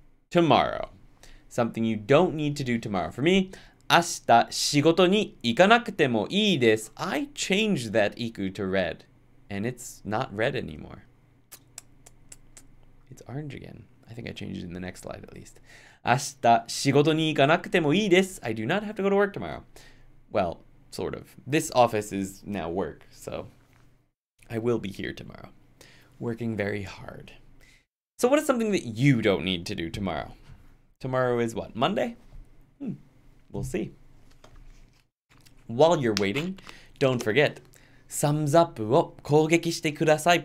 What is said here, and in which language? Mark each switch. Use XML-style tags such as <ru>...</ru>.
<en>Tomorrow. Something you don't need to do tomorrow. For me,</en> <ja>明日仕事に行かなくてもいいです。</ja> <en>I changed that iku to red, and it's not red anymore. It's orange again. I think I changed it in the next slide at least.</en> <ja>明日仕事に行かなくてもいいです。</ja> <en>I do not have to go to work tomorrow. Well, sort of. This office is now work, so I will be here tomorrow, working very hard. So what is something that you don't need to do tomorrow? Tomorrow is what? Monday? We'll see. While you're waiting, don't forget, thumbs up</en> <ja>を攻撃してください.</ja>